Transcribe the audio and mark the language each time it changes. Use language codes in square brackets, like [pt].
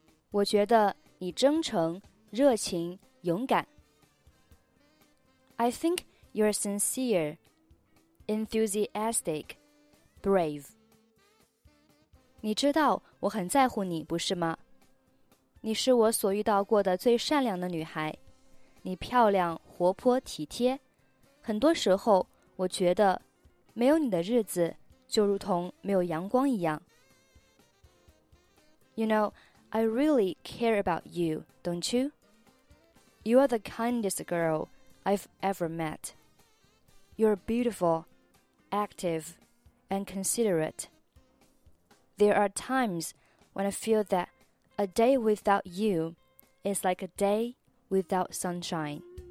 [zh] 我觉得你真诚、热情、勇敢。 [en] I think you're sincere, enthusiastic, brave. [zh] 你知道我很在乎你，不是吗？你是我所遇到过的最善良的女孩。你漂亮、活泼、体贴，很多时候我觉得没有你的日子就如同没有阳光一样。 [en] You know, I really care about you, don't you? You are the kindest girl I've ever met. You're beautiful, active, and considerate. There are times when I feel that a day without you is like a day without sunshine.